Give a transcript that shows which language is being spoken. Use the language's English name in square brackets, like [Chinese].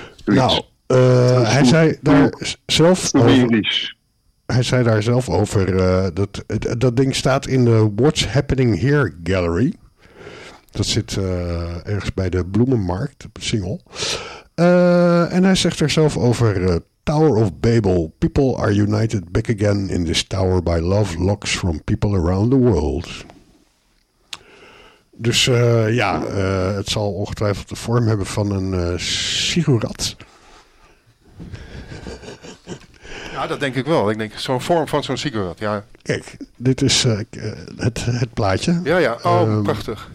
[Dutch] Nou, hij zei daar zelf over... Hij zei daar zelf over... Dat ding staat in de What's Happening Here Gallery. Dat zit ergens bij de Bloemenmarkt, op het Singel. En hij zegt er zelf over... [English] Tower of Babel. People are united back again in this tower by love locks from people around the world. [Dutch] Dus het zal ongetwijfeld de vorm hebben van een ziggurat. Ja, dat denk ik wel. Ik denk zo'n vorm van zo'n ziggurat, ja. Kijk, dit is het plaatje. Ja, ja. Oh, prachtig.